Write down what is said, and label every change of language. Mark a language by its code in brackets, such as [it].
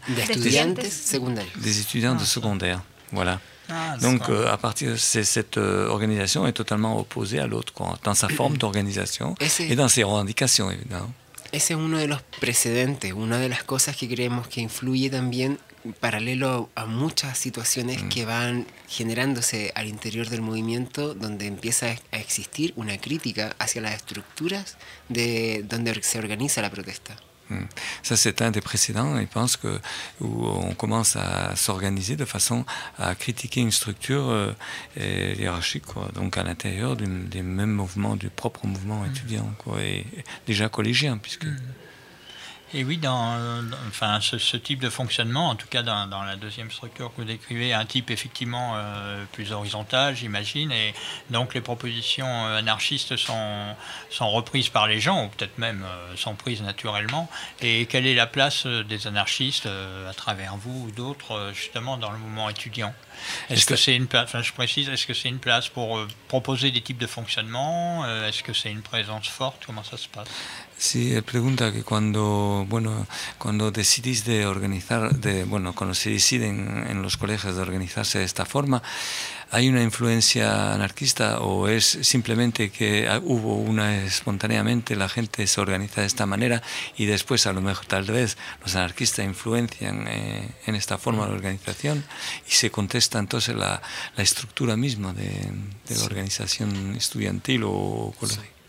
[fr] des étudiants de secondaire. Voilà. Donc, à partir de cette organisation est totalement opposée à l'autre, quoi, dans sa forme d'organisation et dans ses revendications, évidemment. [es] Ese es uno de los precedentes, una de las cosas que creemos que influye también paralelo a muchas situaciones que van generándose al interior del movimiento, donde empieza a existir una crítica hacia las estructuras de donde se organiza la protesta. [fr] Ça, c'est un des précédents, je pense, que, où on commence à s'organiser de façon à critiquer une structure hiérarchique, quoi. Donc à l'intérieur des mêmes mouvements, du propre mouvement étudiant, quoi, et déjà collégien, puisque... Et oui, ce type de fonctionnement, en tout cas dans la deuxième structure que vous décrivez, un type effectivement plus horizontal, j'imagine, et donc les propositions anarchistes sont reprises par les gens, ou peut-être même sont prises naturellement. Et quelle est la place des anarchistes à travers vous ou d'autres, justement, dans le mouvement étudiant ? Est-ce que c'est une place pour proposer des types de fonctionnement ? Est-ce que c'est une présence forte ? Comment ça se passe ? [es] Sí, pregunta que cuando decidís de organizar, cuando se deciden en los colegios de organizarse de esta forma, ¿hay una influencia anarquista o es simplemente que hubo una espontáneamente, la gente se organiza de esta manera y después a lo mejor tal vez los anarquistas influencian en esta forma de organización y se contesta entonces la estructura misma de la organización estudiantil o colegio?